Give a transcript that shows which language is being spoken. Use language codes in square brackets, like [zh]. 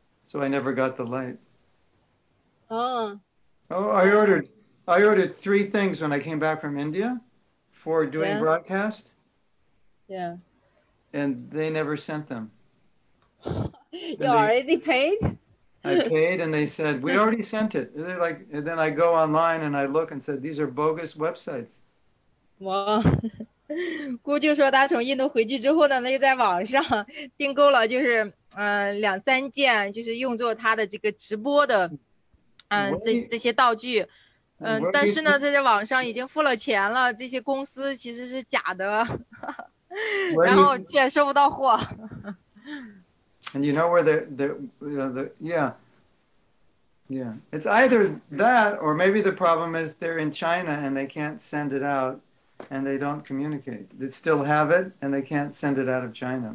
[en] So I never got the light. I ordered three things when I came back from India for doing broadcast. Yeah. And they never sent them. already paid? I paid and they said, we already sent it. And, like, and then I go online and I look and said, these are bogus websites. Wow. [zh] 姑就说她从印度回去之后呢，她就在网上订购了，就是两三件，就是用作她的这个直播的，这些道具，但是呢，她在网上已经付了钱了，这些公司其实是假的，然后却收不到货。 [en] And you know where the it's either that or maybe the problem is they're in China and they can't send it out. And they don't communicate. They still have it, and they can't send it out of China.